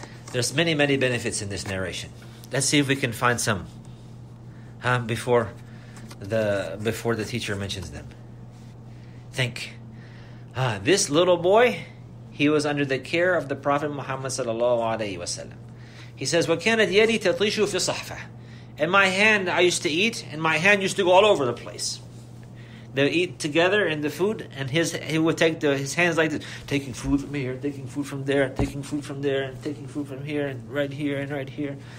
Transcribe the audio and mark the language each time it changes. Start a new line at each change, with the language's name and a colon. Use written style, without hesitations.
English: There's many, many benefits in this narration. Let's see if we can find some. Huh? Before the teacher mentions them. Think. This little boy, he was under the care of the Prophet Muhammad sallallahu alayhi wasallam. He says,
Arabic: وَكَانَتْ يَدِي تَطْلِشُ فِي صَحْفَةً.
English: And my hand, I used to eat, and my hand used to go all over the place. They would eat together in the food, and he would take his hands like this, taking food from here, taking food from there, taking food from there, and taking food from here, and right here, and right here.